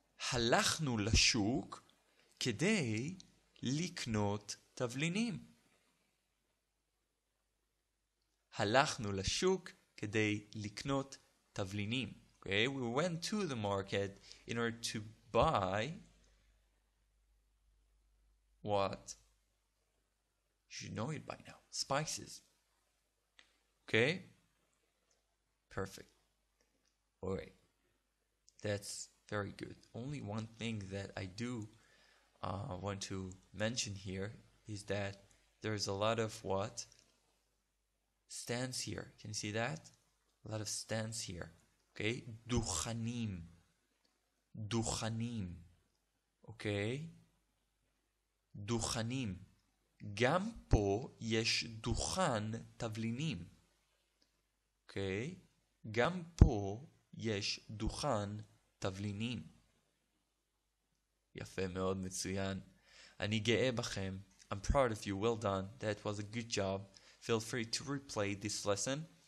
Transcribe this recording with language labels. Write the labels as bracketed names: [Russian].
[Hebrew] הלכנו לשוק כדי לקנות תבלינים. הלכנו לשוק כדי לקנות תבלינים. [English] Okay, we went to the market in order to buy what? You should know it by now. Spices. Okay? Perfect. Alright. That's very good. Only one thing that I do want to mention here is that there's a lot of what? Stands here. Can you see that? A lot of stands here. [Hebrew] Okay, דוכנים, דוכנים, okay, דוכנים, גם פה יש דוכן תבלינים, okay, גם פה יש דוכן תבלינים, יפה מאוד, מצוין, אני גאה בכם, [English] I'm proud of you, well done, that was a good job, feel free to replay this lesson.